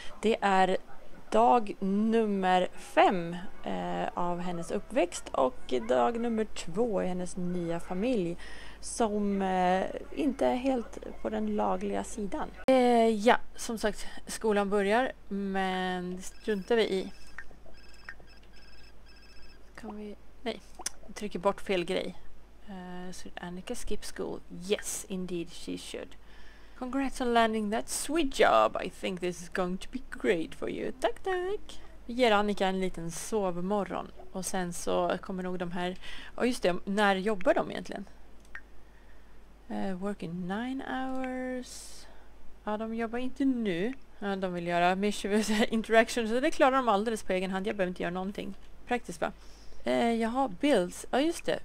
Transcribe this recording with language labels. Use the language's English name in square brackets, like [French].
[Swedish] Det är dag nummer 5 av hennes uppväxt och dag nummer 2 i hennes nya familj som inte är helt på den lagliga sidan. Ja, som sagt, skolan börjar, men det struntar vi i. Nej, jag trycker bort fel grej. [English] Should Annika skip school? Yes, indeed she should. Congrats on landing that sweet job. I think this is going to be great for you. [Swedish] Tack, tack. Vi ger Annika en liten sovmorgon. Och sen så kommer nog de här... Oh, just det, när jobbar de egentligen? [English] Working 9 hours. [Swedish] Ja, de jobbar inte nu. Ja, de vill göra mischievous interaction. Så det klarar de alldeles på egen hand. Jag behöver inte göra någonting. Praktiskt va? Jag har bills. Ja, just det.